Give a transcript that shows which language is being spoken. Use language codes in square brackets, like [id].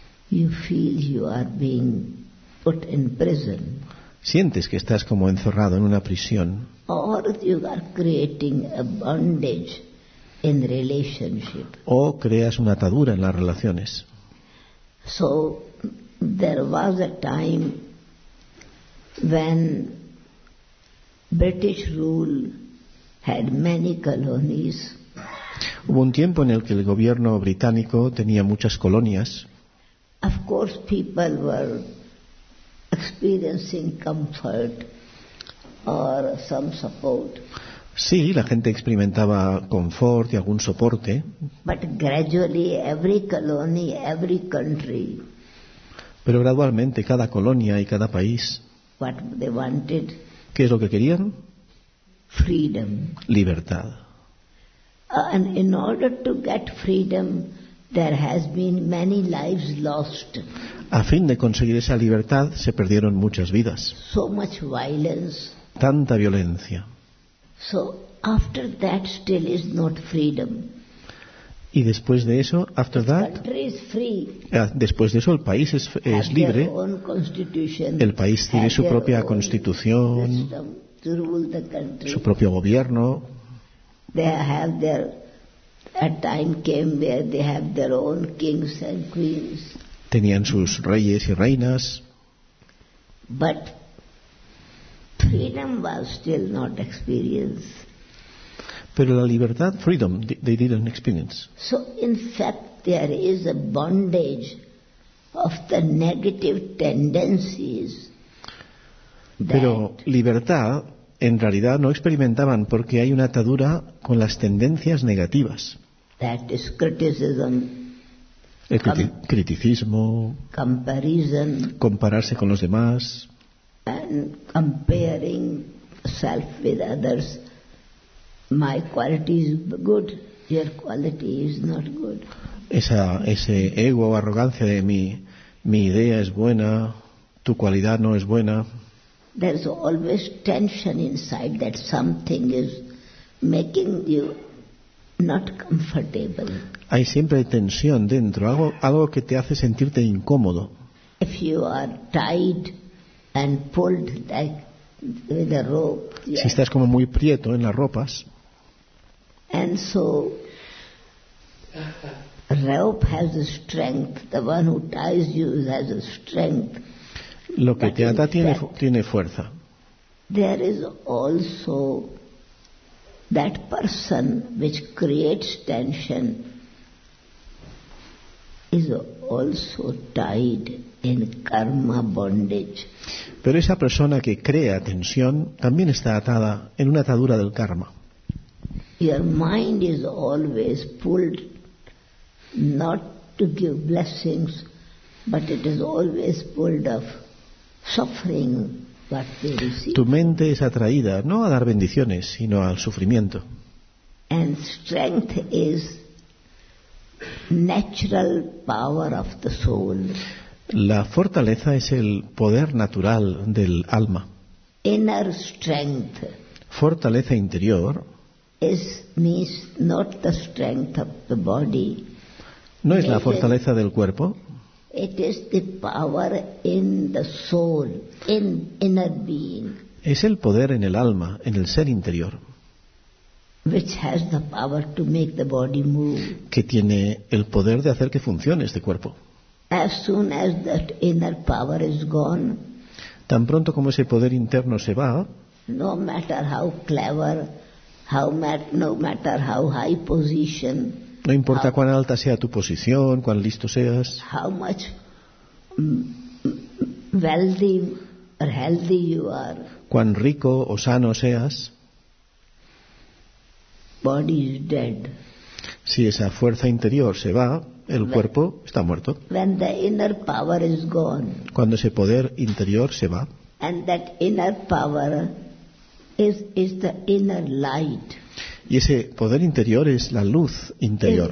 [en] you feel you are being put in prison. [es] Sientes que estás como encerrado en una prisión. [en] Or you are creating a bondage in relationship. [es] O creas una atadura en las relaciones. [en] So there was a time when British rule had many colonies. [es] Hubo un tiempo en el que el gobierno británico tenía muchas colonias. [en] Of course, people were experiencing comfort or some support. [es] Sí, la gente experimentaba confort y algún soporte. [en] But gradually, every colony, every country. [es] Pero gradualmente, cada colonia y cada país. [en] What they wanted. [es] ¿Qué es lo que querían? [en] Freedom. [es] Libertad. [en] And in order to get freedom, there has been many lives lost. [es] A fin de conseguir esa libertad, se perdieron muchas vidas. [en] So much violence. [es] Tanta violencia. [en] So after that, still is not freedom. [es] Y después de eso, [en] after that, the country is free. [es] Después de eso, el país es libre. [en] Their own constitution. [es] El país tiene su propia constitución. [en] To rule the country. [es] Su propio gobierno. [en] They have their. A time came where they have their own kings and queens. [es] Tenían sus reyes y reinas. [en] But freedom was still not experienced. [es] Pero la libertad, [en] freedom, they didn't experience. So in fact, there is a bondage of the negative tendencies. [es] Pero libertad, en realidad, no experimentaban porque hay una atadura con las tendencias negativas. [en] That is criticism. [es] El criticismo. [en] Comparison. [es] Compararse con los demás. [en] And comparing self with others. My quality is good. Your quality is not good. [es] Ese ego o arrogancia de mi idea es buena, tu cualidad no es buena. [en] There's always tension inside that something is making you not comfortable. [es] Hay siempre tensión dentro, algo que te hace sentirte incómodo. [en] If you are tied and pulled like with a rope. [es] Si estás como muy prieto en las ropas. [en] And so rope has a strength. The one who ties you has a strength. [es] Lo que te ata tiene fuerza. [en] There is also that person which creates tension is also tied in karma bondage. [es] Pero esa persona que crea tensión también está atada en una atadura del karma. [en] Your mind is always pulled not to give blessings, but it is always pulled of suffering what they receive. [es] Tu mente es atraída no a dar bendiciones sino al sufrimiento. [en] And strength is natural power of the soul. [es] La fortaleza es el poder natural del alma. [en] Inner strength. [es] Fortaleza interior. [en] is means not the strength of the body. [es] No es la fortaleza del cuerpo. [en] It is the power in the soul, in inner being. [es] Es el poder en el alma, en el ser interior. [en] Which has the power to make the body move. [es] Que tiene el poder de hacer que funcione este cuerpo. [en] As soon as that inner power is gone. [es] Tan pronto como ese poder interno se va. [en] No matter how clever, no matter how high position. [es] No importa cuán alta sea tu posición, cuán listo seas. [en] How much wealthy or healthy you are. [es] Cuán rico o sano seas. [en] Body is dead. [es] Si esa fuerza interior se va, el cuerpo está muerto. [en] When the inner power is gone. [es] Cuando ese poder interior se va. [en] And that inner power is the inner light. [es] Y ese poder interior es la luz interior.